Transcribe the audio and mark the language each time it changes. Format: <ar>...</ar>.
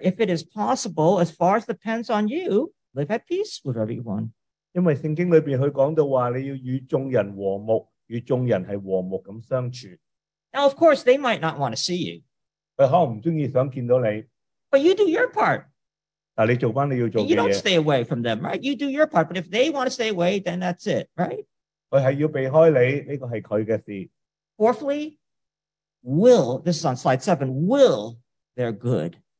<en>If it is possible, as far as depends on you, live at peace with everyone.</en> <yue>因为圣经里面佢讲到话，你要与众人和睦，与众人系和睦咁相处。</yue> <en>Now, of course, they might not want to see you.</en> <yue>佢可能唔中意想见到你。</yue> <en>But you do your part.</en> <yue>但你做翻你要做嘅嘢。</yue> <en>You don't stay away from them, right? You do your part. But if they want to stay away, then that's it, right?</en> <yue>佢系要避开你，呢个系佢嘅事。</yue> <en>Fourthly, will, this is on slide 7, will their good.</en>